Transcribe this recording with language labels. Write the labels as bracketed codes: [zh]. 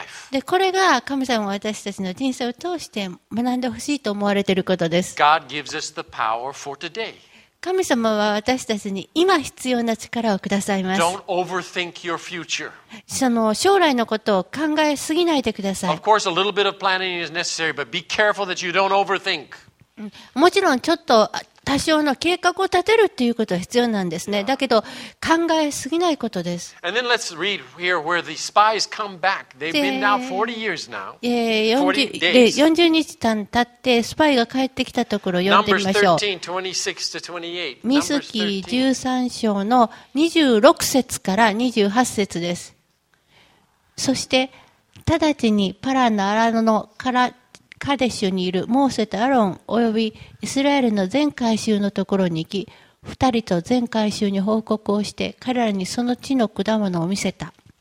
[ja] で、これが神様が私たちの人生を通して学んでほしいと思われていることです。 [en] God gives us the power for today. [ja] 神様は私たちに今必要な力をくださいます。 [en] Don't overthink your future. [ja] その将来のことを考えすぎないでください。 [en] Of course, a little bit of planning is necessary, but be careful that you don't overthink. [ja] もちろんちょっと多少の計画を立てるということは必要なんですね。だけど考えすぎないことです。 [en] And then let's read here where the spies come back. They've been now 40 years now. 40 days. [ja] 40日間経ってスパイが帰ってきたところを読んでみましょう。 [en] Numbers 13:26-28. [ja] 民数記13章の26節から28節です。そして直ちにパランのアラノのからカデシュにいるモーセとアロン及びイスラエルの全会衆のところに行き、二人と全会衆に報告をして彼らにその地の果物を見せた。